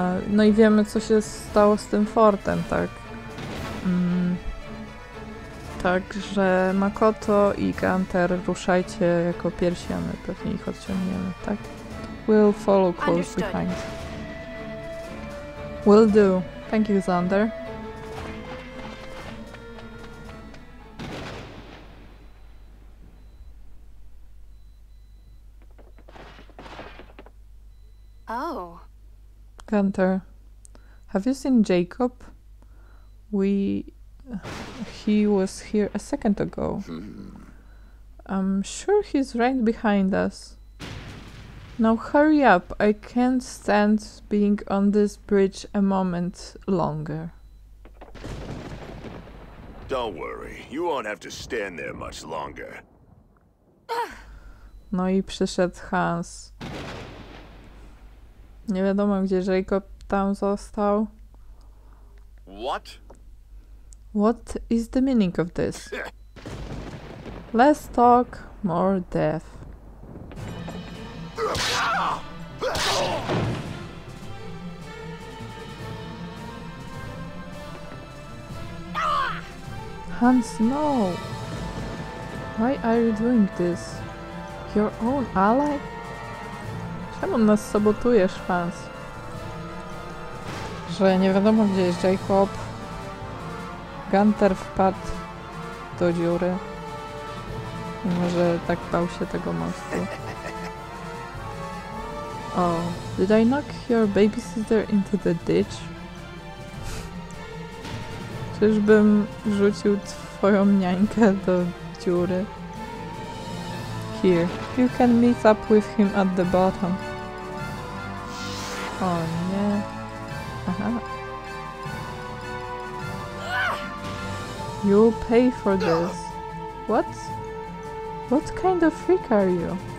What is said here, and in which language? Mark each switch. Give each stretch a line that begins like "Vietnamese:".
Polish: No i wiemy, co się stało z tym fortem, tak? Także Makoto i Gunther, ruszajcie jako pierwsi, a my pewnie ich odciągniemy, tak?
English: We'll follow close behind. Will do. Thank you, Xander. Gunther, have you seen Jacob? He was here a second ago. I'm sure he's right behind us. Now hurry up, I can't stand being on this bridge a moment longer. Don't worry, you won't have to stand there much longer.
Polish: No i przyszedł Hans. Nie wiadomo, gdzie Jacob tam został.
English: What? What is the meaning of this? Less talk, more death. Hans, no! Why are you doing this? Your own ally?
Polish: Czemu nas sabotujesz, Hans? Że nie wiadomo, gdzie jest Jacob. Gunther wpadł do dziury. Może tak bał się tego mostu.
English: Oh, did I knock your baby sister into the ditch?
Polish: Czyżbym rzucił twoją niańkę do dziury?
English: Here, you can meet up with him at the bottom.
Polish: O nie. Aha.
English: You pay for this. What? What kind of freak are you?